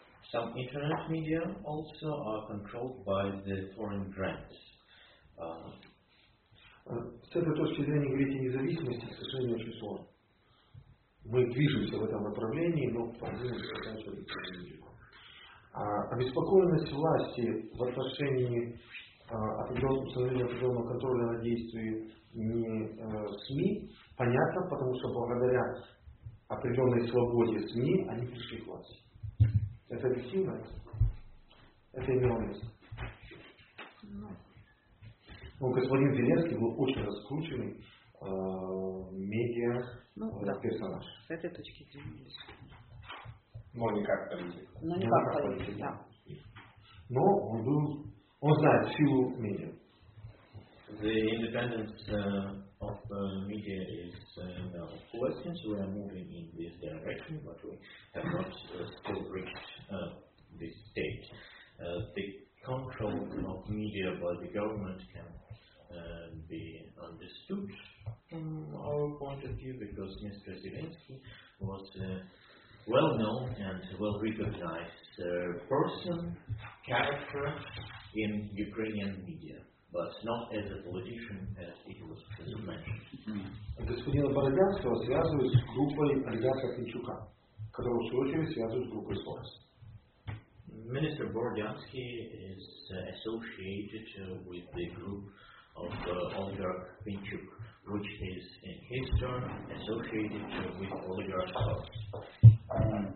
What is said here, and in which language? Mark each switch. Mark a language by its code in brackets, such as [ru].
[en] Some internet media also are controlled by the foreign grants. [ru] С этой точки зрения говорить о независимости, к сожалению, очень сложно. Мы движемся в этом направлении, но по-моему, это также не происходит. Обеспокоенность власти в отношении определенного контроля над действиями СМИ понятна, потому что благодаря определенной свободе СМИ они пришли к власти. Это объективно? Это имело место? Ну, господин Зеленский был очень раскрученный медиа персонаж. С этой точки зрения. Но не как политик. Но не как политик, да. Но он был, он знает силу медиа. [en] The independence of media is now a question. We are moving in this direction, but we have not still reached this stage. The control of media by the government can be understood from our point of view, because Mr. Zelensky was well-known and well-recognized person, character in Ukrainian media, but not as a politician, as it was mentioned. [ru] Господина Бородянского связывают с группой Олигарха Кличука, которого в свою очередь связывают с группой Сорос. [en] Minister Bordyansky is associated with the group of Oligarch Kinchuk, which is in his turn associated with Oligarch Soros.